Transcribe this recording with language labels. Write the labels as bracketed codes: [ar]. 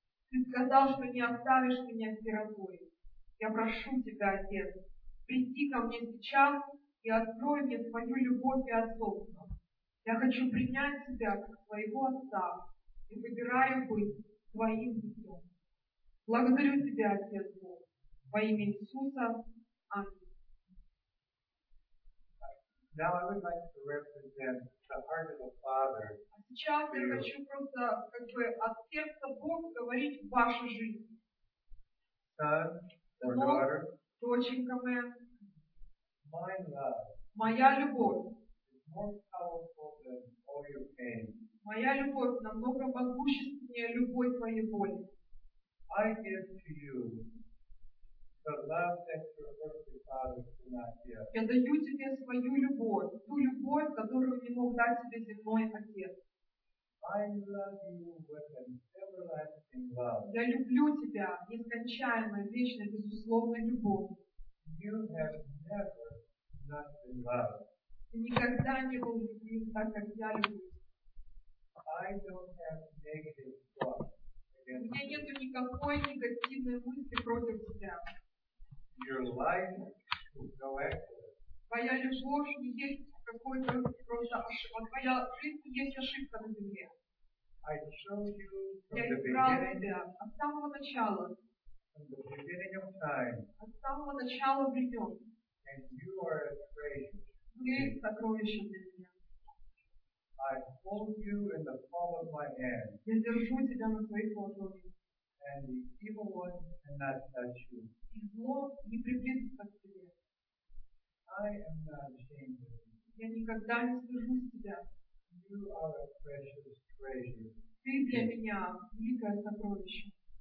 [ru] Ты сказал, что не оставишь меня сиротой. Я прошу тебя, отец, приди ко мне сейчас, и открой мне твою любовь и отцовство. Я хочу принять тебя как своего отца и выбираю быть твоим детем. Благодарю тебя, Отец Бог, во имя Иисуса. Аминь. [en] Now I would like to represent the heart of the Father. [ru] Сейчас я хочу просто как бы от сердца Бога говорить в вашу жизнь. [en] Son or daughter. [ru] Доченька моя. [en] My love. [ru] Моя любовь. [en] Is more powerful than all your pain. [ru] Моя любовь намного могущественнее любой твоей боли. [en] I give to you the love that your earthly father cannot give. [ru] Я даю тебе свою любовь, ту любовь, которую не мог дать тебе земной отец. [en] I love you with an everlasting love. [ru] Я люблю тебя нескончаемой, вечной, безусловной любовью. [en] You have never not been loved. [ru] Ты никогда не был любим так, как я люблю. [en] I don't have negative thoughts. [ru] У меня нет никакой негативной мысли против тебя. [en] Your life is no accident. [ru] Твоя любовь не есть какой-то просто ошибка. Твоя жизнь есть ошибка на земле. [en] I showed you from [ru] Я избрал тебя от самого начала. [en] From the beginning of time. [ru] От самого начала времен. [en] And you are a treasure. [ru] Ты сокровище для меня. [en] I hold you in the palm of my hand. [ru] Я держу тебя на своих ладонях. [en] And the evil one cannot touch you. [ru] И зло не приблизится к тебе. [en] I am not ashamed of you. [ru] Я никогда не стыжусь тебя. [en] You are a precious treasure. [ru] Ты для меня великое сокровище.